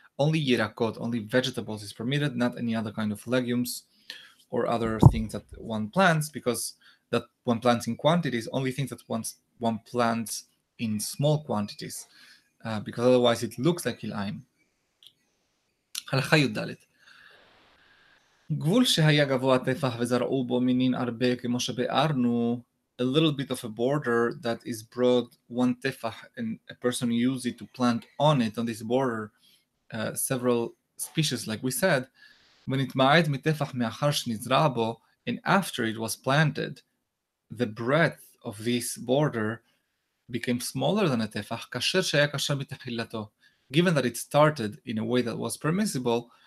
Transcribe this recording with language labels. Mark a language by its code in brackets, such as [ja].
[en] Only yirakot, only vegetables is permitted, not any other kind of legumes or other things that one plants, because that one plants in quantities, only things that one plants in small quantities, because otherwise it looks like ilaim. [he] Halacha yuddalit. גבול שהיה גבוה טפח וזרעו בו מינים הרבה כמו שבארנו, [en] a little bit of a border that is broad, one tefach, and a person uses it to plant on it, on this border, several species, like we said, [he] ונתמעט מטפח מאחר שנזרע בו, [en] and after it was planted, the breadth of this border became smaller than a tefach, [he] כאשר שהיה קשה מתחילתו. [en] Given that it started in a way that was permissible,